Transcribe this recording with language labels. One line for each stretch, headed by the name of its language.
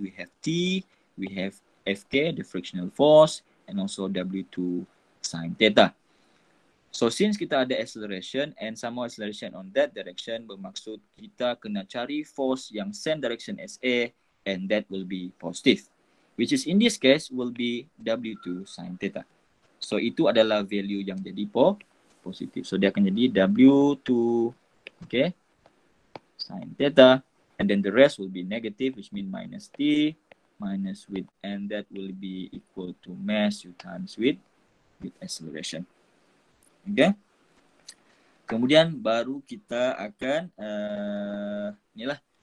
English: We have T, we have FK, the frictional force, and also W2 sin theta. So, since
Malay: kita ada
English: acceleration and some more acceleration on that direction,
Malay: bermaksud kita kena cari
English: force yang same direction as A and that will be positive. Which is in this case will be W2 sin theta.
Malay: So, itu adalah value yang jadi positive.
English: So, dia akan jadi W2, okay, sin theta, and then the rest will be negative, which means minus T minus width, and that will be equal to mass U times width with acceleration. Okay,
Malay: Kemudian baru kita akan inilah.